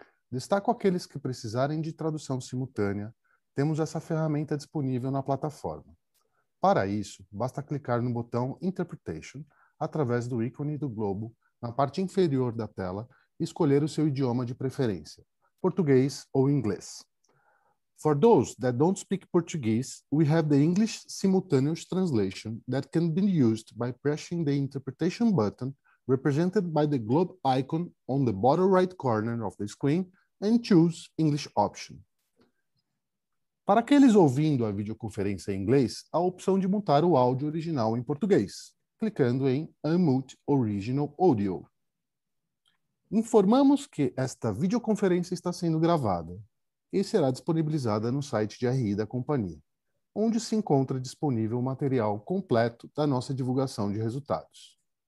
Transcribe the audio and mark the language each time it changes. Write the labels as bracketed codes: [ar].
[pt] Destaco aqueles que precisarem de tradução simultânea, temos essa ferramenta disponível na plataforma. Para isso, basta clicar no botão Interpretation através do ícone do globo na parte inferior da tela e escolher o seu idioma de preferência, português ou inglês. [en] For those that don't speak Portuguese, we have the English simultaneous translation that can be used by pressing the interpretation button represented by the globe icon on the bottom right corner of the screen and choose English option. [pt] Para aqueles ouvindo a videoconferência em inglês, há a opção de mutar o áudio original em português, clicando em Unmute Original Audio. Informamos que esta videoconferência está sendo gravada e será disponibilizada no site de RI da companhia, onde se encontra disponível o material completo da nossa divulgação de resultados.